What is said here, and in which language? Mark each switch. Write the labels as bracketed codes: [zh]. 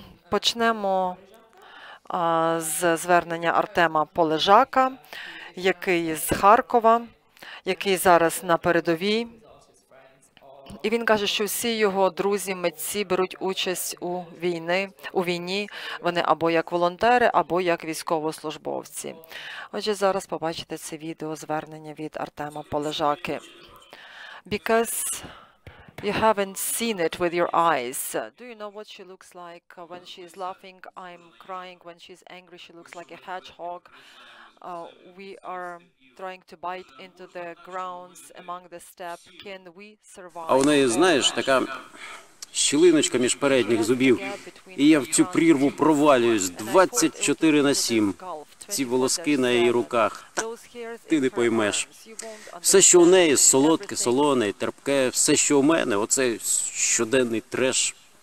[uk] Почнемо з звернення Артема Полежака, який з Харкова, який зараз на передовій. І він каже, що всі його друзі-митці беруть участь у війні. Вони або як волонтери, або як військовослужбовці. Отже, зараз побачите це відео звернення від Артема Полежаки. [en] Because you haven't seen it with your eyes. Do you know what she looks like when she's laughing? I'm crying. When she's angry, she looks like a hedgehog. We are trying to bite into the grounds among the step. Can we survive? [uk] А у неї, знаєш, така щілиночка між передніх зубів. І я в цю прірву провалююсь 24/7. Ці волоски на її руках. Ти не поймеш. Все, що у неї солодке, солоне, терпке, все, що у мене, оце щоденний треш.